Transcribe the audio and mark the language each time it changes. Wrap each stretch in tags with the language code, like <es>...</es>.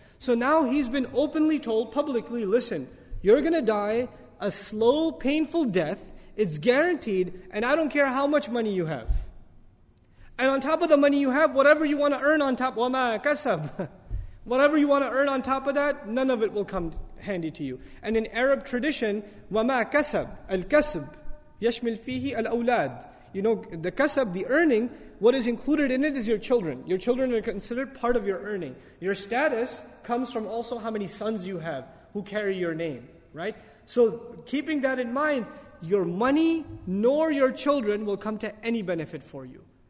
<en>So now he's been openly told publicly, listen, you're going to die a slow, painful death. It's guaranteed, and I don't care how much money you have. And on top of the money you have, whatever you want to earn on top,</en> <ar>وَمَا كَسَبْ</ar> <en>whatever you want to earn on top of that, none of it will come handy to you. And in Arab tradition,</en> <ar>وَمَا كَسَبْ الْكَسَبْ يَشْمِلْ فِيهِ الْأَوْلَادِ.</ar> <en>You know, the kasab, the earning, what is included in it is your children. Your children are considered part of your earning. Your status comes from also how many sons you have who carry your name, right? So keeping that in mind, your money nor your children will come to any benefit for you.</en>